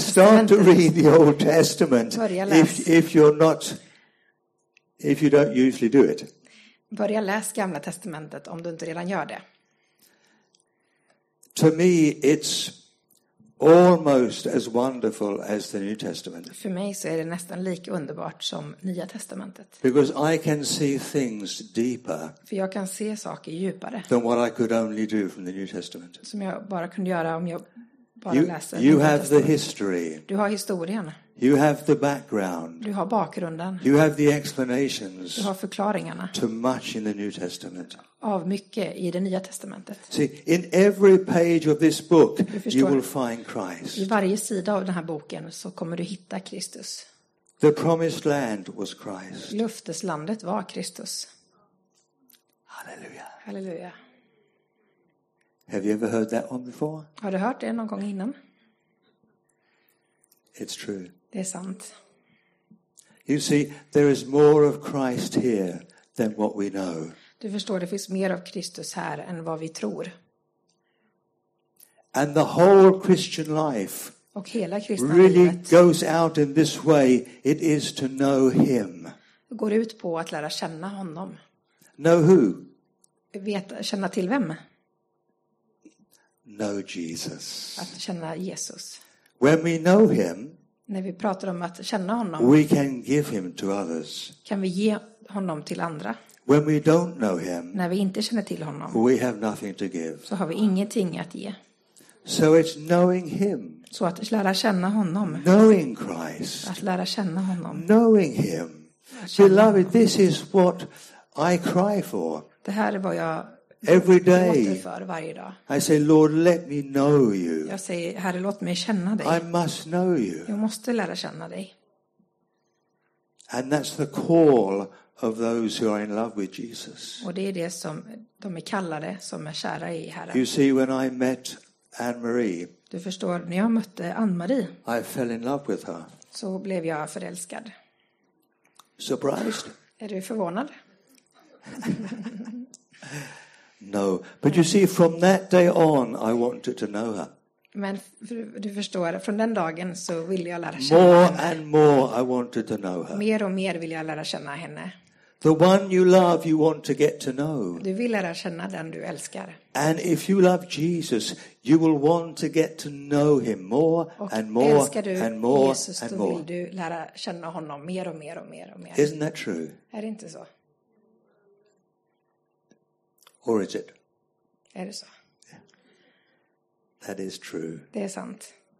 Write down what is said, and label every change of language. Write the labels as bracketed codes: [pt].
[en] Start to read the Old Testament if you don't usually do it. [sv] Börja läsa gamla testamentet om du inte redan gör det. [en] To me it's almost as wonderful as the New Testament. [sv] För mig så är det nästan lika underbart som Nya testamentet. [en] Because I can see things deeper. [sv] För jag kan se saker djupare. [en] Than what I could only do from the New Testament. [sv] Som jag bara kunde göra om jag bara läste. [en] You have the history. [sv] Du har historien. [en] You have the background. [sv] Du har bakgrunden. [en] You have the explanations. [sv] Du har förklaringarna. [en] To much in the New Testament. [sv] Av mycket i det nya testamentet. [en] See, in every page of this book you will find Christ. [sv] I varje sida av den här boken så kommer du hitta Kristus. [en] The promised land was Christ. [sv] Löfteslandet var Kristus. [en] Halleluja. [sv] Halleluja. [en] Have you ever heard that one before? [sv] Har du hört det någon gång innan? [en] It's true. [sv] Det är sant. [en] You see, there is more of Christ here than what we know. [sv] Du förstår, det finns mer av Kristus här än vad vi tror. [en] And the whole Christian life [sv] och hela kristna livet [en] really goes out in this way. It is to know him. [sv] Går ut på att lära känna honom. [en] Know who? [sv] Känna till vem? [en] Know Jesus. [sv] Att känna Jesus. [en] When we know him, [sv] när vi pratar om att känna honom, [en] we can give him to others. [sv] Kan vi ge honom till andra? [en] When we don't know him, [sv] när vi inte känner till honom, [en] we have nothing to give. [sv] Så har vi ingenting att ge. [en] So it's knowing him. [sv] Så att lära känna honom. [en] Knowing Christ. [sv] Att lära känna honom. [en] Knowing him. Beloved, this is what I cry for. [sv] Det här är vad jag [en] every day. [sv] För varje dag. [en] I say, Lord, let me know you. [sv] Jag säger, Herre, låt mig känna dig. [en] I must know you. [sv] Jag måste lära känna dig. [en] And that's the call of those who are in love with Jesus. [sv] Och det är det som de är kallade, som är kära i Herren. [en] You see, when I met Anne Marie. [sv] Du förstår, när jag mötte Anne Marie. [en] I fell in love with her. [sv] Så blev jag förälskad. [en] Surprised? [sv] Är du förvånad? [en] No, but you see, from that day on, I wanted to know her. [sv] Men du förstår, från den dagen så ville jag lära känna [en] more [sv] henne. [en] More and more, I wanted to know her. [sv] Mer och mer vill jag lära känna henne. [en] The one you love, you want to get to know. [sv] Du vill lära känna den du älskar. [en] And if you love Jesus, you will want to get to know him more and more and more and more. [sv] Älskar du Jesus, då vill du lära känna honom mer och mer och mer och mer. [en] Isn't that true? [sv] Är det inte så? [en] Or is it? [sv] Är det så? [en] Yeah. That is true. [sv] Det är sant.